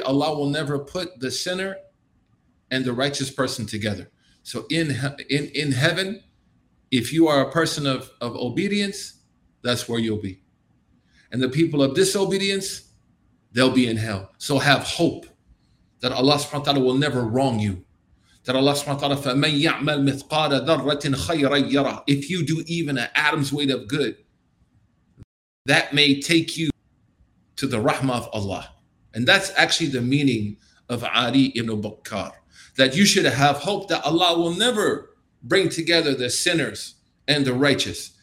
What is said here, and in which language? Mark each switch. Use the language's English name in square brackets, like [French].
[English] Allah will never put the sinner and the righteous person together. So in heaven, if you are a person of obedience, that's where you'll be. And the people of disobedience, they'll be in hell. So have hope that Allah subhanahu wa ta'ala will never wrong you. That [Arabic] Allah subhanahu wa ta'ala, فَمَنْ يَعْمَلْ مِثْقَالَ ذَرَّةٍ خَيْرًا يَرَهُ. [English] If you do even an atom's weight of good, that may take you to the rahmah of Allah. And that's actually the meaning of Ali ibn Bakkar. That you should have hope that Allah will never bring together the sinners and the righteous.